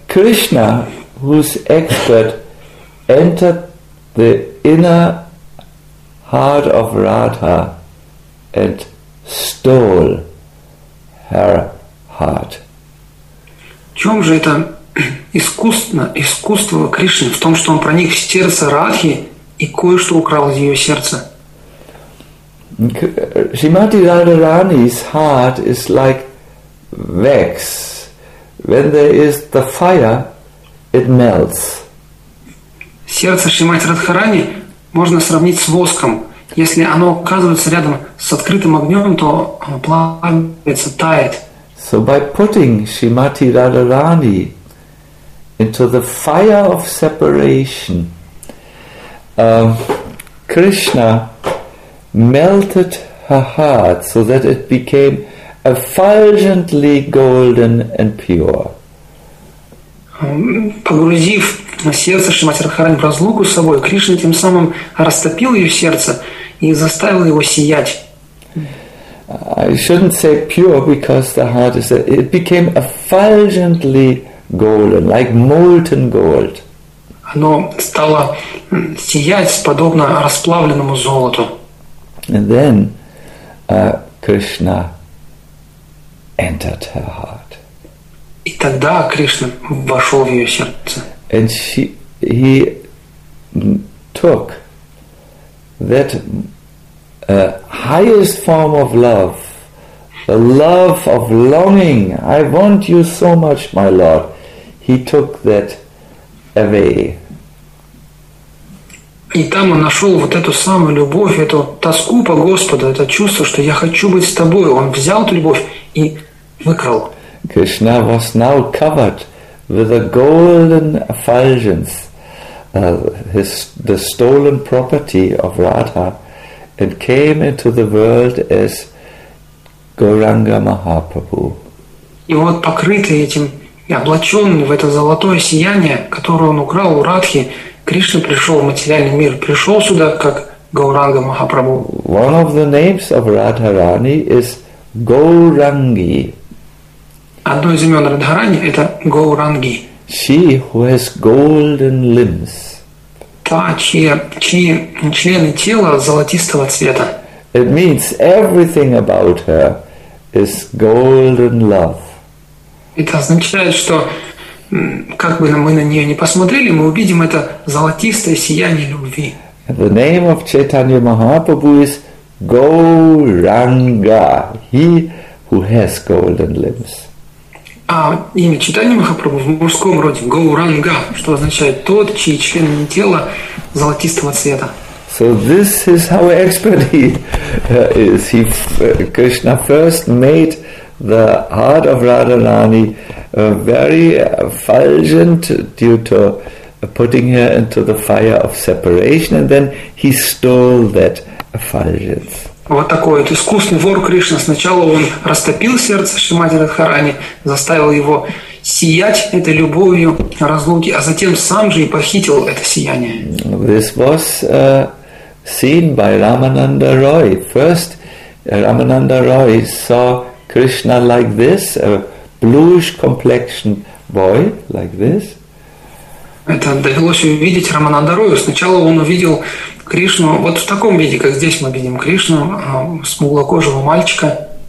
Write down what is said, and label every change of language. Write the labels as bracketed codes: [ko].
[en] Krishna, who's expert, entered the inner heart of Radha and stole her heart. [ru] В чем же это искусство Кришны? В том, что он проник в сердце Радхи и кое-что украл из ее сердца. [en] Shrimati Radharani's heart is like wax. When there is the fire, it melts. [ru] Сердце Шримати Радхарани можно сравнить с воском. Если оно оказывается рядом с открытым огнем, то оно плавится, тает. [en] So by putting Shrimati Radharani into the fire of separation, Krishna melted her heart so that it became effulgently golden and pure. [ru] Погрузив сердце Шримати Радхарани в разлуку с собой, Кришна тем самым растопил ее сердце и заставил его сиять. [en] I shouldn't say pure because the heart is it became effulgently golden, like molten gold. [ru] Оно стало сиять подобно расплавленному золоту. [en] And then Krishna entered her heart. [ru] И тогда Кришна вошел в ее сердце. [en] And he took that highest form of love, the love of longing. I want you so much, my Lord. He took that away. [ru] И там он нашел вот эту самую любовь, эту тоску по Господу, это чувство, что я хочу быть с тобой. Он взял эту любовь и выкрал. [en] Krishna was now covered with a golden effulgence, the stolen property of Radha, and came into the world as Gauranga Mahaprabhu. [ru] И вот покрытый этим, и облаченный в это золотое сияние, которое он украл у Радхи, Кришна пришел в материальный мир, пришел сюда как Гауранга Махапрабху. [en] One of the names of Radharani is Gaurangi. [ru] Одно из имен Радхарани это Гауранги. [en] She who has golden limbs. [ru] Та, чьи члены тела золотистого цвета. [en] It means everything about her is golden love. [ru] Это означает, что как бы мы на нее не посмотрели, мы увидим это золотистое сияние любви. [en] The name of Chaitanya Mahaprabhu is Gauranga, he who has golden limbs. [ru] А имя Чайтанья Махапрабху в мужском роде Гауранга, что означает тот, чьи члены тела золотистого цвета. [en] So this is how expert he is. He, Krishna first made the heart of Radharani very effulgent due to putting her into the fire of separation, and then he stole that effulgence. [ru] Вот такой вот искусный вор Кришна. Сначала он растопил сердце Шримати Радхарани, заставил его сиять этой любовью разлуки, а затем сам же и похитил это сияние. [en] This was seen by Ramananda Roy. First, Ramananda Roy saw Krishna like this, a bluish complexion boy like this. [ru] Это довелось увидеть Рамананда Рою. Сначала он увидел Кришну вот в таком виде, как здесь мы видим Кришну, смуглокожего мальчика.